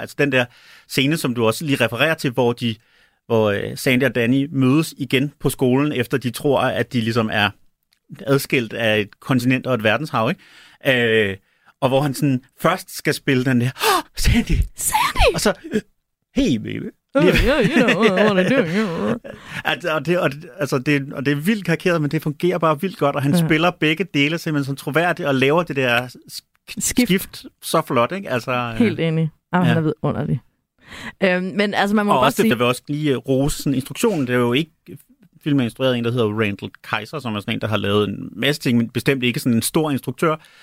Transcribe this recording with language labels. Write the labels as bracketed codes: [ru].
[da] Altså, den der scene, som du også lige refererer til, hvor Sandy og Danny mødes igen på skolen, efter de tror, at de ligesom er adskilt af et kontinent og et verdenshav, ikke? Og hvor han sådan først skal spille den der, Sandy! [en] Og så, hey baby. Oh, yeah, you know what I'm doing. [da] Det er vildt karikeret, men det fungerer bare vildt godt, og han spiller begge dele simpelthen sådan troværdigt, og laver det der skift så flot, ikke? Altså, helt enig. Jamen, han er vidunderligt. Men altså, man må og bare også sige... Og også, der vil også lige rose sådan, instruktionen, det er jo ikke... Filmen er instrueret af en, der hedder Randall Kaiser, som er sådan en, der har lavet en masse ting, men bestemt ikke sådan en stor instruktør.